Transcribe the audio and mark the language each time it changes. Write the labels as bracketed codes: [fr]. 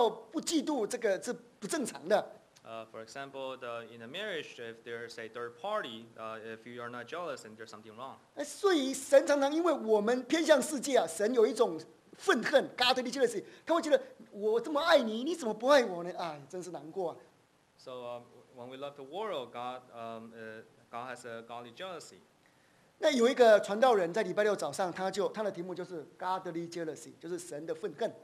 [zh] 比如说结婚有第三者，这个你不感到不嫉妒，这个是不正常的。 [en] For example, in a marriage, if there's a third party, if you are not jealous, then there's something wrong. [zh] 所以神常常因为我们偏向世界啊，神有一种愤恨 ， [en] godly jealousy， [zh] 他会觉得我这么爱你，你怎么不爱我呢？哎，真是难过啊。 [en] So when we love the world, God has a godly jealousy. [zh] 那有一个传道人在礼拜六早上，他的题目就是 [en] godly jealousy， [zh] 就是神的愤恨。